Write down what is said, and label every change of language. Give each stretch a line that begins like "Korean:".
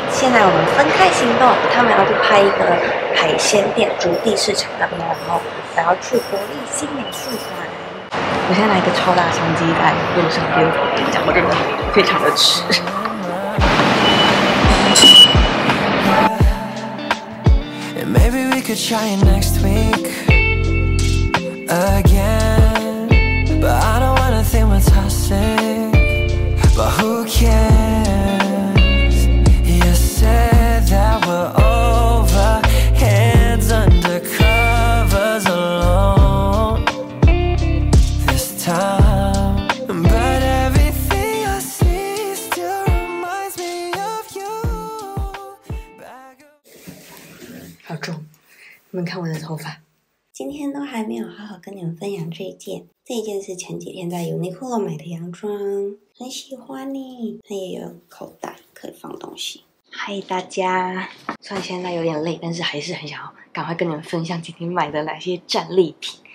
Chinese: 现在我们分开行动，他们要去拍一个海鲜店竹地市场那边，然后还要去国立新美术馆。我现在来一个超大相机在路上边走边讲，我真的非常的吃。
English: Maybe we could try it next week again. But I don't wanna think we're toxic. But who cares? You said that we're over heads under covers alone this time. But everything I see still reminds me of you.
Chinese: 好重。你们看我的头发，今天都还没有好好跟你们分享这一件。这一件是前几天在 Uniqlo 买的洋装，很喜欢呢。它也有口袋可以放东西。嗨，大家！虽然现在有点累，但是还是很想要赶快跟你们分享今天买的哪些战利品。